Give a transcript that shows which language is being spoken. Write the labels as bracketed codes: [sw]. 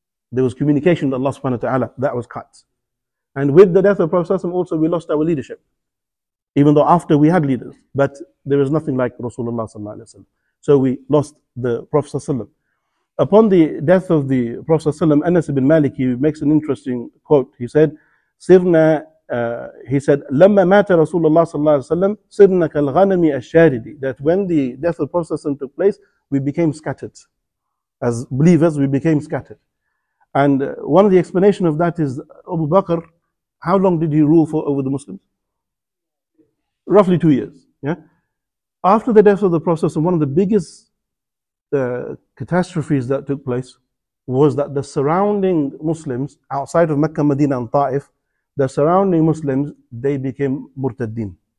[en] There was communication with Allah subhanahu wa ta'ala. That was cut. And with the death of the Prophet ﷺ also, we lost our leadership. Even though after we had leaders. But there was nothing like Rasulullah ﷺ. So we lost the Prophet ﷺ. Upon the death of the Prophet ﷺ, Anas ibn Malik, he makes an interesting quote. [ar] He said, لَمَّا مَاتَ رَسُولَ اللَّهِ صَلَّى اللَّهِ وَسَلَّمْ سِرْنَا كَالْغَنَمِ الشَّارِدِ. [en] That when the death of the Prophet ﷺ took place, we became scattered. As believers, we became scattered. And one of the explanation of that is, Abu Bakr, how long did he rule over the Muslims? Roughly 2 years. Yeah. After the death of the Prophet ﷺ, one of the biggest catastrophes that took place was that the surrounding Muslims outside of Mecca, Medina and Ta'if, the surrounding Muslims, they became murtaddin.